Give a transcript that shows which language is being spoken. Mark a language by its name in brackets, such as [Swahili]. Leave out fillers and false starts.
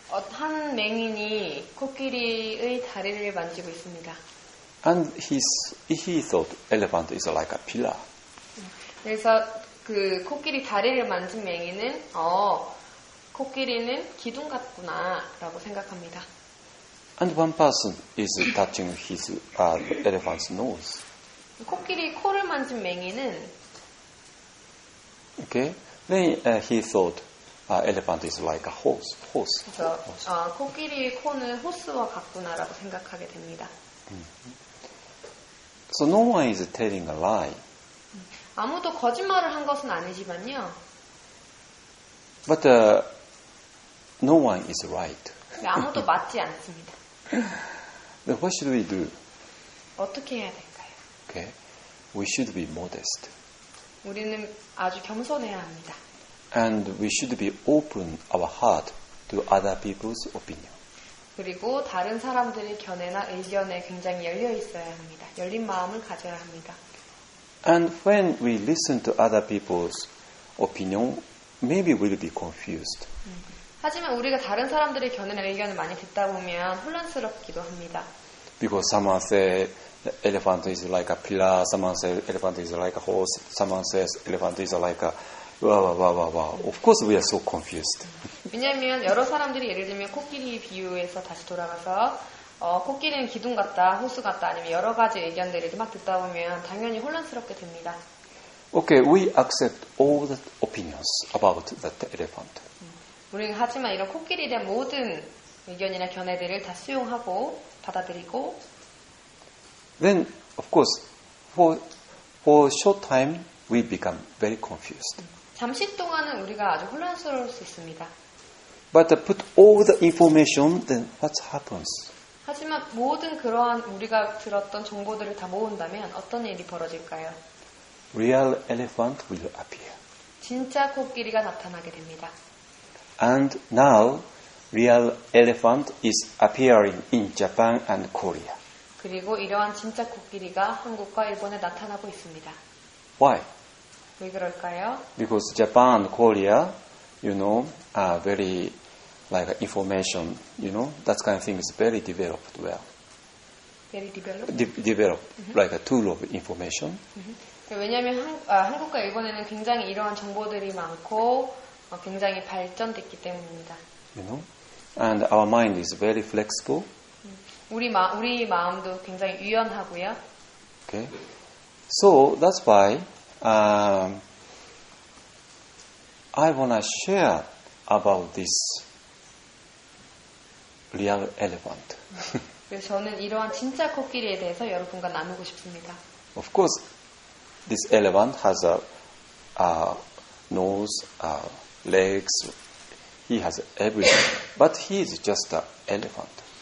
[Korean] 한 맹인이 코끼리의 다리를 만지고 있습니다. [English] And he thought elephant is like a pillar. [Korean] 그래서 그 코끼리 다리를 만진 맹인은 코끼리는 기둥 같구나라고 생각합니다. [English] And one person is touching his elephant's nose. [Korean] 코끼리 코를 만진 맹인은 [English] okay. Then he thought elephant is like a horse. [Korean] 그래서 코끼리의 코는 호스와 같구나라고 생각하게 됩니다. [English] So no one is telling a lie. [Korean] 아무도 거짓말을 한 것은 아니지만요. [English] But no one is right. [Korean] 아무도 맞지 않습니다. [English] Then what should we do? [Korean] 어떻게 해야 될까요? [English] Okay. We should be modest. [Korean] 우리는 아주 겸손해야 합니다. [English] And we should be open our heart to other people's opinion. [Korean] 그리고 다른 사람들의 견해나 의견에 굉장히 열려 있어야 합니다. 열린 마음을 가져야 합니다. [English] And when we listen to other people's opinion, maybe we'll be confused. [Korean] 하지만 우리가 다른 사람들의 견해나 의견을 많이 듣다 보면 혼란스럽기도 합니다. [English] Because someone says elephant is like a pillar, someone says elephant is like a horse, someone says elephant is like a Of course, we are so confused. [Korean] 왜냐하면 여러 사람들이 예를 들면 코끼리 비유에서 다시 돌아가서 코끼리는 기둥 같다, 호수 같다, 아니면 여러 가지 의견들을 막 듣다 보면 당연히 혼란스럽게 됩니다. [English] Okay, we accept all the opinions about that elephant. [Korean] 우리는 하지만 이런 코끼리에 대한 모든 의견이나 견해들을 다 수용하고 받아들이고. [English] Then, of course, for a short time, we become very confused. [Korean] 잠시 동안은 우리가 아주 혼란스러울 수 있습니다. [English] But put all the information, then what happens? [Korean] 하지만 모든 그러한 우리가 들었던 정보들을 다 모은다면 어떤 일이 벌어질까요? [English] Real elephant will appear. [Korean] 진짜 코끼리가 나타나게 됩니다. [English] And now, real elephant is appearing in Japan and Korea. [Korean] 그리고 이러한 진짜 코끼리가 한국과 일본에 나타나고 있습니다. [English] Why? [Korean] 왜 그럴까요? [English] Because Japan and Korea, you know, are very like information, you know, that kind of thing is very developed well. Very developed? Developed, mm-hmm. like a tool of information. [Korean] Mm-hmm. 왜냐하면 한국과 일본에는 굉장히 이러한 정보들이 많고 굉장히 발전됐기 때문입니다. [English] You know? And our mind is very flexible. [Korean] 우리 마음도 굉장히 유연하고요. [English] Okay. So that's why I wanna share about this real elephant. [Korean] 그래서 저는 이러한 진짜 코끼리에 대해서 여러분과 나누고 싶습니다. [English] Of course, this elephant has a nose, legs. He has everything, but he is just an elephant.